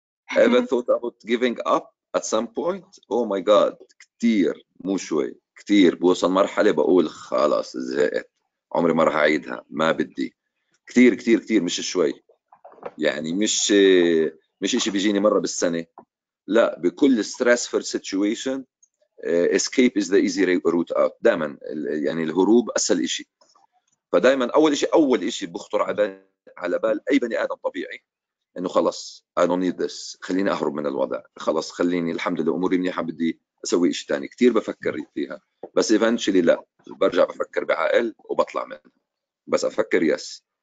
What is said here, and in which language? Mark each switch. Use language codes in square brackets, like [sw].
[en] ever thought about giving up at some point? oh my god [ar] كتير مو شوي كتير. بوصل مرحلة بقول خلاص زهقت عمري ما رح أعيدها ما بدي. كتير كتير كتير مش شوي يعني مش إشي بيجيني مرة بالسنة لا. [en] بكل stressful situation escape is the easy route out. [ar] دائما يعني الهروب أسهل إشي. فدائما أول إشي بخطر على بال أي بني آدم طبيعي إنه خلص [en] I don't need this [ar] خليني أهرب من الوضع خلص خليني الحمد لله أموري منيحة بدي أسوي إشي تاني. كتير بفكر فيها بس eventually لا برجع بفكر بعقل وبطلع منها بس أفكر yes.